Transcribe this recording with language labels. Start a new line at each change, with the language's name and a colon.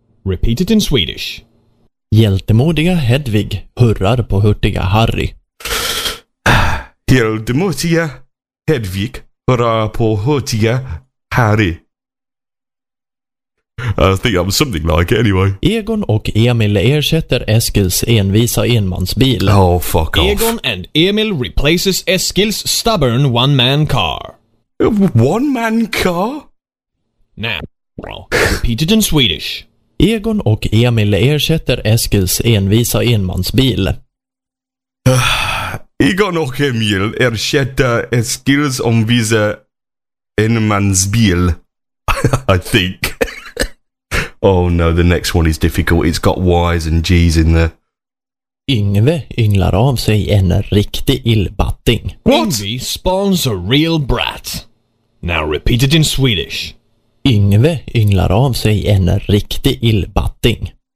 English: Repeat it in Swedish.
Swedish: Hjältemodiga Hedvig hurrar på hurtiga Harry. Hjältemodiga Hedvig hurrar på hurtiga Harry.
English: I think I'm something like it anyway.
Swedish: Egon och Emil ersätter Eskils envisa enmansbil.
English: Oh, fuck off. Egon and Emil replaces Eskils stubborn one-man car. One-man car? Nah, well, repeat it in Swedish.
Swedish: Egon och Emil ersätter Eskils envisa enmansbil. Egon och Emil ersätter Eskils envisa enmansbil.
English: I think. Oh no, the next one is difficult. It's got Y's and G's in there.
Swedish: Yngve ynglar av sig en riktig illbatting.
English: What? Yngve spawns a real brat. Now repeat it in Swedish.
Swedish: Yngve ynglar av sig en riktig illbatting.